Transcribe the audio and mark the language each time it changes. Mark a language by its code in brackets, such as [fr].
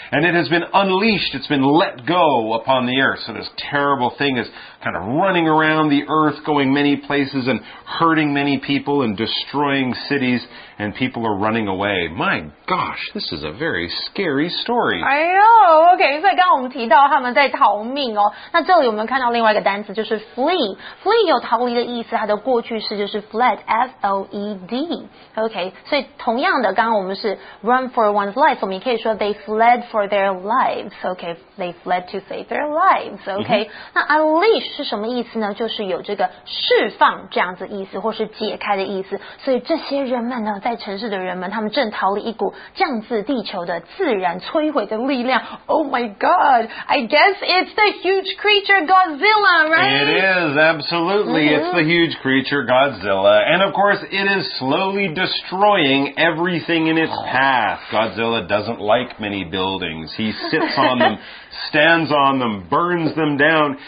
[en] And it has been unleashed. It's been let go upon the earth. So this terrible thing is kind of running around the earth, going many places and hurting many people and destroying cities. And people are running away. My gosh, this is a very scary story. [zh] 哎呦 ,OK, 所以刚刚我们提到他们在逃命哦。那这里我们看到另外一个单词就是 flee。flee 有逃离的意思，它的过去式就是 fled, F-L-E-D。 [en] OK, [zh] 所以同样的刚刚我们是 [en] run for one's life, [zh] 我们也可以说 [en] they fled for their lives, OK, they fled to save their lives, OK.、Mm-hmm. [zh] 那 unleash 是什么意思呢，就是有这个释放这样子意思或是解开的意思。所以这些人们呢在城市的人们他们正逃离一股降自地球的自然摧毁的力量。 [en] Oh my god, I guess it's the huge creature Godzilla, right? It is, absolutely、mm-hmm. It's the huge creature Godzilla. And of course it is slowly destroying everything in its path. Godzilla doesn't like many buildings. He sits on them, stands on them, burns them down.